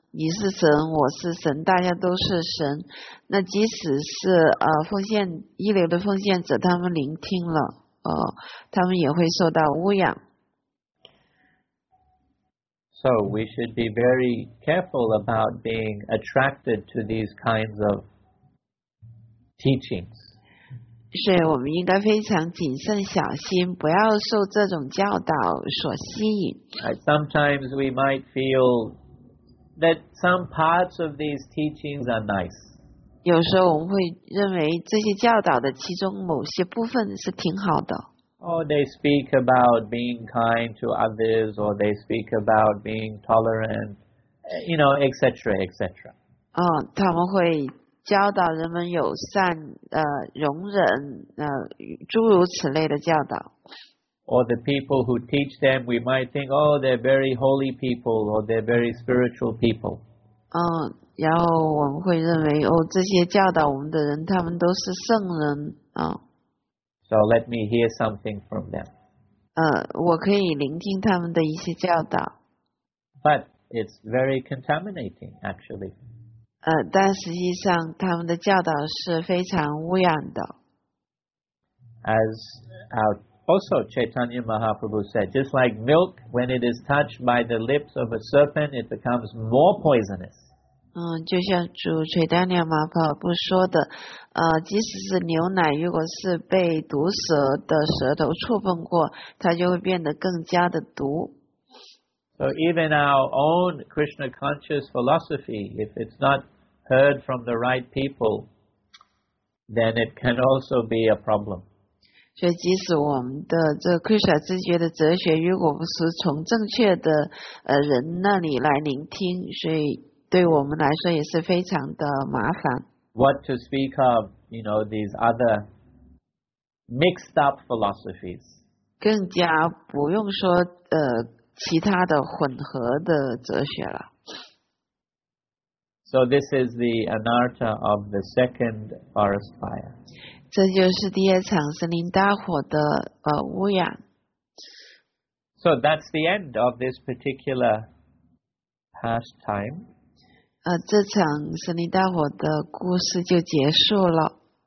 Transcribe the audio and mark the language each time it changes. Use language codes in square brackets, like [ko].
[zh] 你是神，我是神，大家都是神。那即使是奉献一流的奉献者，他们聆听了，他们也会受到污染。 [en] So we should be very careful about being attracted to these kinds of teachings. [zh] 所以我们应该非常谨慎小心，不要受这种教导所吸引。 [en] Sometimes we might feel that some parts of these teachings are nice. [zh] 有时候我们会认为这些教导的其中某些部分是挺好的。 [en] Oh, they speak about being kind to others, or they speak about being tolerant, you know, etc., etc. [zh] 他们会教导人们友善，容忍，诸如此类的教导。 [en] Or the people who teach them, we might think, oh, they're very holy people, or they're very spiritual people. [zh] 然后我们会认为，哦，这些教导我们的人，他们都是圣人， [en] So let me hear something from them. [zh] 我可以聆听他们的一些教导。 [en] But it's very contaminating, actually. [zh] 但实际上他们的教导是非常污染的。 [en] As also Chaitanya Mahaprabhu said, just like milk, when it is touched by the lips of a serpent, it becomes more poisonous. [zh] 就像主 Chaitanya Mahaprabhu 说的，即使是牛奶，如果是被毒蛇的舌头触碰过，它就会变得更加的毒。 [en] So even our own Krishna conscious philosophy, if it's not heard from the right people, then it can also be a problem. [zh] 所以即使我们的这 Krishna 自觉的哲学，如果不是从正确的人那里来聆听，所以对我们来说也是非常的麻烦。 [en] What to speak of, you know, these other mixed up philosophies. [zh] 更加不用说其他的混合的哲学了。 [en] So this is the anarta of the second forest fire. [zh] 这就是第二场森林大火的污染。 [en] So that's the end of this particular pastime. [zh] 这场森林大火的故事就结束了。